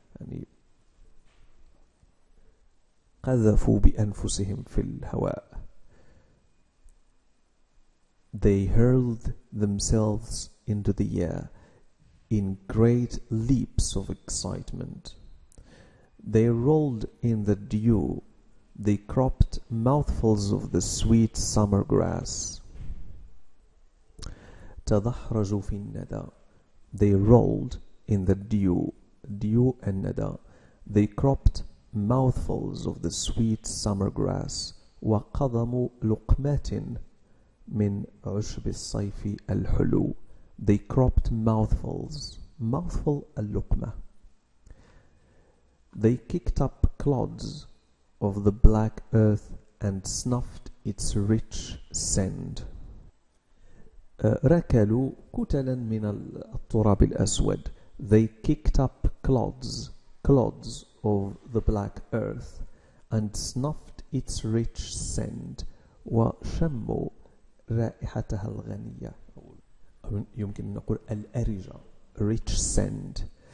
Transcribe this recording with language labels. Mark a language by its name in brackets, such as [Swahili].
[Arabic] يعني قذفوا بأنفسهم في الهواء. [English] They hurled themselves into the air in great leaps of excitement. They rolled in the dew. They cropped mouthfuls of the sweet summer grass. [Arabic] تدحرجوا في الندى. [English] They rolled in the dew. Dew and ندى. They cropped mouthfuls of the sweet summer grass. [Arabic] وقضموا لقمات من عشب الصيف الحلو. [English] They cropped mouthfuls. Mouthful اللقمة. They kicked up clods of the black earth and snuffed its rich scent. [Arabic] ركلوا كتلا من التراب الأسود. [English] They kicked up clods, clods of the black earth and snuffed its rich scent. [Arabic] وشموا رائحتها الغنية. يمكن نقول الأرجة. [English] Rich scent.